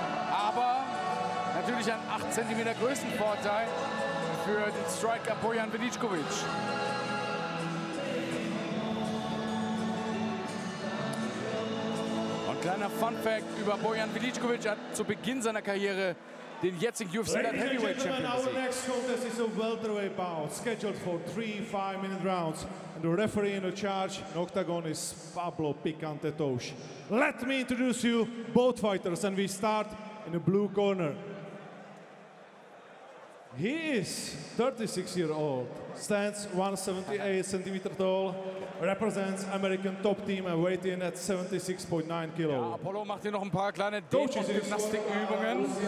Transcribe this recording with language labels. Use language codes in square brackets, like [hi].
[de] Aber natürlich ein 8 cm Größenvorteil für den Striker Bojan Vidicovic. Und kleiner Fun-Fact über Bojan Vidicovic: Er hat zu Beginn seiner Karriere den jetzigen UFC Light Heavyweight Champion besiegt. [en] Our next contest is a welterweight bout, scheduled for 3 5-minute rounds. And the referee in the charge in octagon is Pablo Picante Tosh. Let me introduce you both fighters, and we start in the blue corner. He is 36 years old, stands 178 centimeter tall, represents American top team and weight in at 76.9 kilo. [de] Ja, Apollo macht hier noch ein paar kleine Dehnungs-Gymnastikübungen.